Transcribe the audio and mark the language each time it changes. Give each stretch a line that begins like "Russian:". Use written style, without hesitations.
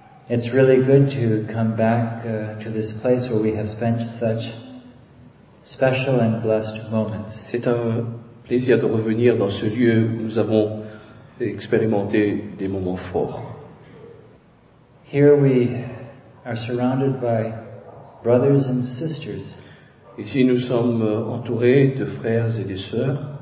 English: it's really good to come back to this place where we have spent such special and blessed moments.
French: C'est un plaisir de revenir dans ce lieu où nous avons expérimenté des moments forts.
English: Here we are surrounded by brothers and sisters.
French: Ici nous sommes entourés de frères et de sœurs.